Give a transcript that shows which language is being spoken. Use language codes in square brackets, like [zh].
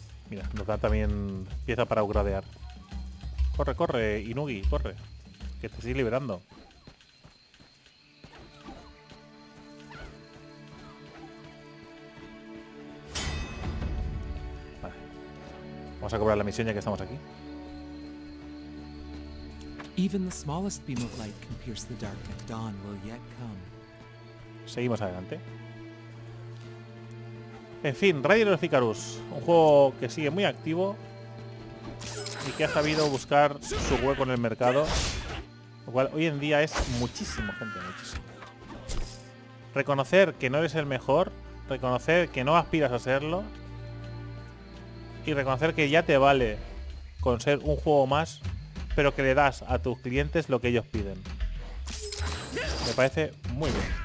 [es] Mira, nos da también pieza para upgradear. ¡Corre, corre, Inugi, corre! Que te estoy liberando. Vamos a cobrar la misión ya que estamos aquí. [en] Even the smallest beam of light can pierce the dark, and dawn will yet come. [es] Seguimos adelante. En fin, Raiders of Icarus, un juego que sigue muy activo y que ha sabido buscar su hueco en el mercado, lo cual hoy en día es muchísimo, gente, muchísimo. Reconocer que no eres el mejor, reconocer que no aspiras a serlo y reconocer que ya te vale con ser un juego más, pero que le das a tus clientes lo que ellos piden. Me parece muy bien.